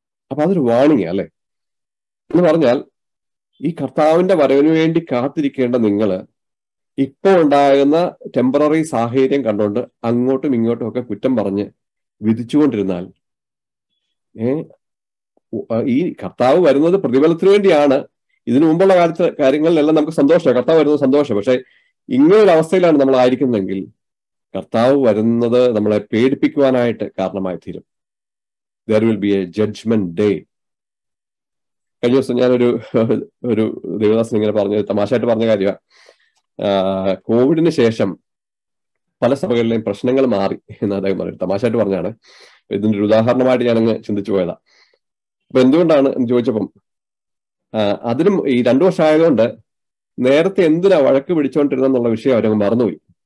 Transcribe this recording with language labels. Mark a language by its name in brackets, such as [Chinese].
[Malayalam] അപ്പൊ അതൊരു വാണിംഗ് അല്ലെ എന്ന് പറഞ്ഞാൽ ഈ കർത്താവിന്റെ വരവിന് വേണ്ടി കാത്തിരിക്കേണ്ട നിങ്ങള് ഇപ്പോൾ ഉണ്ടാകുന്ന ടെമ്പററി സാഹചര്യം കണ്ടുകൊണ്ട് അങ്ങോട്ടും ഇങ്ങോട്ടും ഒക്കെ കുറ്റം പറഞ്ഞ് വിധിച്ചുകൊണ്ടിരുന്നാൽ ഈ കർത്താവ് വരുന്നത് പ്രതിഫലത്തിന് വേണ്ടിയാണ്. ഇതിനു മുമ്പുള്ള കാലത്ത് കാര്യങ്ങളിലെല്ലാം നമുക്ക് സന്തോഷം, കർത്താവ് വരുന്നത് സന്തോഷം. പക്ഷെ ഇങ്ങനൊരു അവസ്ഥയിലാണ് നമ്മൾ ആയിരിക്കുന്നതെങ്കിൽ കർത്താവ് വരുന്നത് നമ്മളെ പേടിപ്പിക്കുവാനായിട്ട് കാരണമായി തീരും. [English] There will be a judgment day. [Malayalam] കഴിഞ്ഞ ദിവസം ഞാനൊരു ഒരു ദേവദാസൻ ഇങ്ങനെ പറഞ്ഞു, തമാശയായിട്ട് പറഞ്ഞ കാര്യമാണ്, കോവിഡിന് ശേഷം പല സഭകളിലെയും പ്രശ്നങ്ങൾ മാറി എന്ന് അദ്ദേഹം പറഞ്ഞു. തമാശയായിട്ട് പറഞ്ഞാണ്, ഇതിൻ്റെ ഒരു ഉദാഹരണമായിട്ട് ഞാനങ്ങ് ചിന്തിച്ചു പോയതാ. അപ്പൊ എന്തുകൊണ്ടാണ് എന്ന് ചോദിച്ചപ്പം അതിനും ഈ 2 ആയതുകൊണ്ട് നേരത്തെ എന്തിനാ വഴക്ക് പിടിച്ചോണ്ടിരുന്ന എന്നുള്ള വിഷയം അവരങ്ങ് മറന്നുപോയി.